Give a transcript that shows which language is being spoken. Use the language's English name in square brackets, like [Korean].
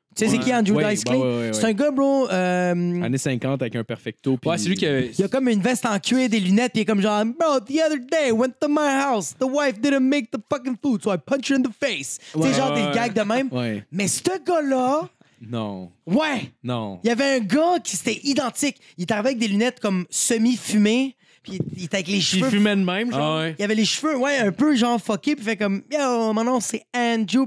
[French] Tu sais, c'est qui Andrew Dice Clay? Ouais. C'est un gars, bro. Année 50 avec un perfecto. Pis... Ouais, c'est lui qui avait... Il a comme une veste en cuir, des lunettes, puis il est comme genre, bro, [English] the other day, went to my house. The wife didn't make the fucking food, so I punched her in the face. [French] Ouais. Tu sais, genre des gags de même. Ouais. Mais ce gars-là. Non. Ouais. Non. Il y avait un gars qui c'était identique. Il était avec des lunettes comme semi-fumées, puis il était avec les cheveux. Il fumait de même, genre. Il avait les cheveux, ouais, un peu genre fucké, puis il fait comme, yo, mon nom, c'est Andrew.